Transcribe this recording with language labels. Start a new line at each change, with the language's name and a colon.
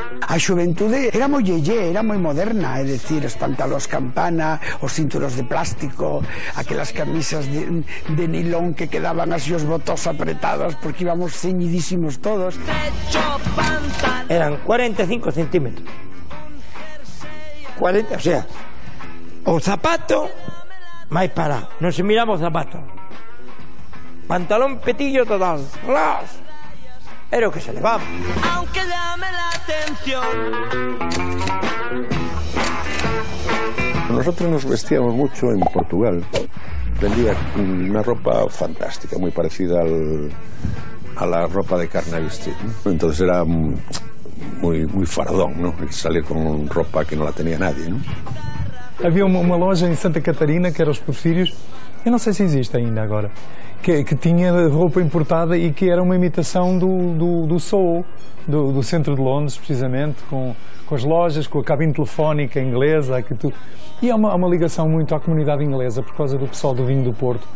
Galician: A xuventude era moi yeye, era moi moderna, é dicir, os pantalóns campana, os cinturos de plástico, aquelas camisas de nilón que quedaban así os botos apretados porque íbamos ceñidísimos todos. Eran 45 centímetros. O sea, o zapato máis parado, non se miraba o zapato. Pantalón petillo total, ¡ras! Era o que se levaba.
Spanish: Aunque llame la atención. Nosotros nos vestíamos mucho en Portugal. Vendía una ropa fantástica, muy parecida a la ropa de Carnaby Street, ¿no? Entonces era muy, muy fardón, ¿no? Salir con ropa que no la tenía nadie, ¿no? Había una loja en Santa Catarina que era Os Porfírios.
Portuguese: Eu não sei se existe ainda agora, que tinha roupa importada e que era uma imitação do Soho, do centro de Londres, precisamente, com as lojas, com a cabine telefónica inglesa, que tu... E há uma ligação muito à comunidade inglesa, por causa do pessoal do vinho do Porto.